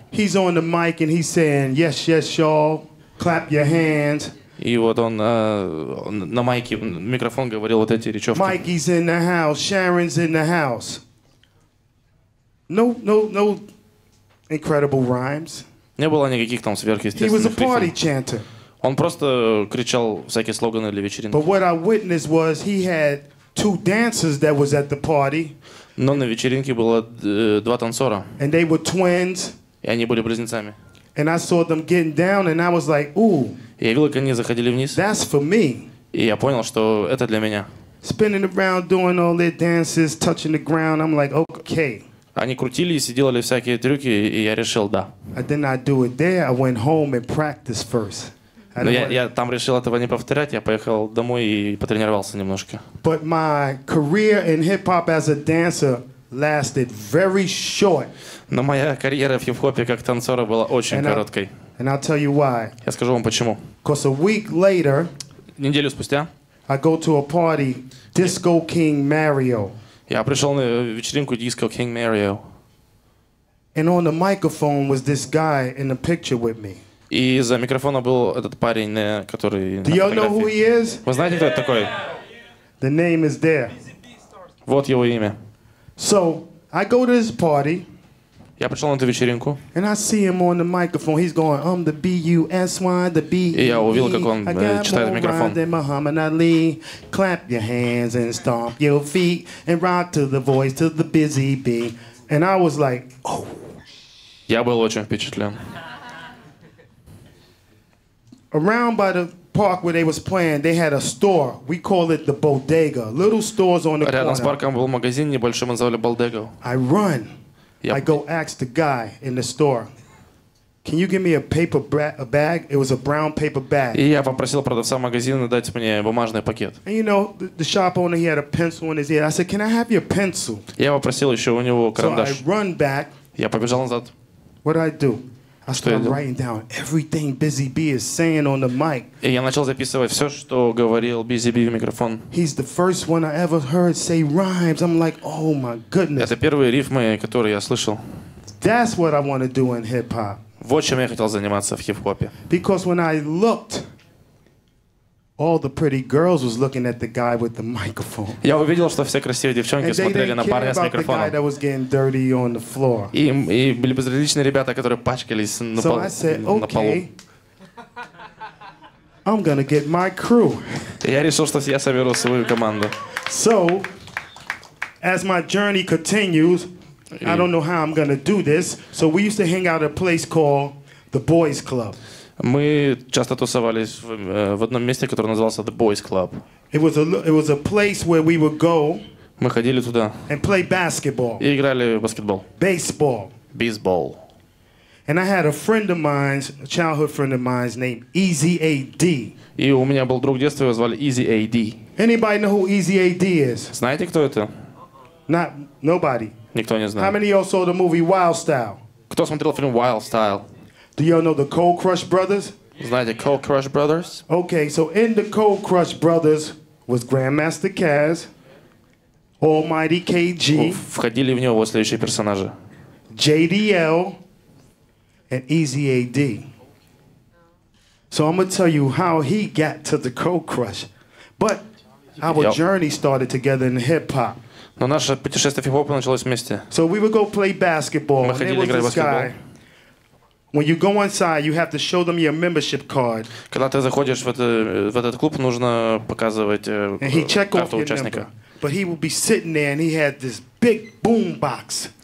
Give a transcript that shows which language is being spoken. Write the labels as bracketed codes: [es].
[en] He's on the mic and he's saying, yes, yes, y'all, clap your hands. [ru] И вот он на майке, микрофон говорил вот эти речевки. [en] Mikey's in the house, Sharon's in the house. No incredible rhymes. [ru] Не было никаких там сверхъестественных [en] рифмов. He was a party chanter. [ru] Он просто кричал всякие слоганы для вечеринки. [en] But what I witnessed was he had two dancers that was at the party. [ru] Но на вечеринке было два танцора. [en] And they were twins. [ru] И они были близнецами. [en] And I saw them getting down and I was like, ooh. [ru] Я видел, как они заходили вниз. [en] That's for me. [ru] И я понял, что это для меня. [en] Spinning around, doing all their dances, touching the ground. I'm like, okay. [ru] Они крутились и делали всякие трюки, и я решил да. [en] I did not do it there. I went home and practiced first. [ru] Но я там решил этого не повторять. Я поехал домой и потренировался немножко. [en] But my career in hip-hop as a dancer lasted very short. [ru] Но моя карьера в хип-хопе как танцора была очень короткой. [en] And I'll tell you why. [ru] Я скажу вам почему. [en] Because a week later. [ru] Неделю спустя. [en] I go to a party, Disco King Mario. [ru] Я пришел на вечеринку Disco King Mario. [en] And on the microphone was this guy in the picture with me. [ru] И за микрофоном был этот парень, который. [en] Do you know who he is? [ru] Вы знаете, кто это такой? [en] The name is there. [ru] Вот его имя. [en] So I go to this party. [ru] Я пришел на эту вечеринку. [en] And I see him on the microphone. He's going, I'm the B-U-S-Y, the B-E-E. [ru] И я увидел, как он читает микрофон. [en] I got more rhyme than Muhammad Ali. Clap your hands and stomp your feet and rock to the voice to the busy bee. And I was like, oh. [ru] Я был очень впечатлен. [en] Around by the park where they was playing, they had a store. We call it the bodega. Little stores on the corner. [ru] Рядом с парком был магазин небольшой, мы называли Балдего. [en] I run. Yep. I go ask the guy in the store, can you give me a paper bag? It was a brown paper bag. [ru] И я попросил продавца магазина дать мне бумажный пакет. [en] And you know, the shop owner, he had a pencil in his ear. I said, can I have your pencil? [ru] Я попросил еще у него карандаш. [en] So I run back. [ru] Я побежал назад. [en] What did I do? I started writing down everything Busy B is saying on the mic. [ru] И я начал записывать все, что говорил Busy B в микрофон. [en] He's the first one I ever heard say rhymes. I'm like, oh my goodness. [ru] Это первые рифмы, которые я слышал. [en] That's what I want to do in hip-hop. [ru] Вот чем я хотел заниматься в хип-хопе. [en] Because when I looked, all the pretty girls was looking at the guy with the microphone. [ru] Я увидел, что все красивые девчонки смотрели на парня с микрофоном. [en] The guy that was getting dirty on the floor. [ru] И были безразличные ребята, которые пачкались на полу. [en] So I said, okay, I'm gonna get my crew. [ru] Я решил, что я соберу свою команду. [en] So, as my journey continues, I don't know how I'm gonna do this. So we used to hang out at a place called the Boys Club. [ru] Мы часто тусовались в одном месте, которое назывался The Boys Club. [en] It was a place where we would go. [ru] Мы ходили туда. [en] And play basketball. [ru] И играли в баскетбол. [en] Baseball. Baseball. And I had a friend of mine, a childhood friend of mine, named Easy AD. [ru] И у меня был друг детства, его звали Easy AD. [en] Anybody know who Easy AD is? [ru] Знаете, кто это? [en] Not nobody. [ru] Никто не знает. [en] How many of y'all saw the movie Wild Style? [ru] Кто смотрел фильм Wild Style? [en] Do y'all know the Cold Crush Brothers? [ru] Знаете, the Cold Crush Brothers? [en] Okay, so in the Cold Crush Brothers was Grandmaster Caz, Almighty KG. [ru] Входили в него следующие персонажи. [en] JDL and Easy AD. So I'm gonna tell you how he got to the Cold Crush. But our journey started together in hip hop. [ru] Но наше путешествие в хип-хоп началось вместе. [en] So we would go play basketball. [ru] Мы ходили играть в баскетбол. [en] When you go inside, you have to show them your membership card. [ru] Когда ты заходишь в этот клуб, нужно показывать карту участника. [en] But he would be sitting there, and he had this big boombox.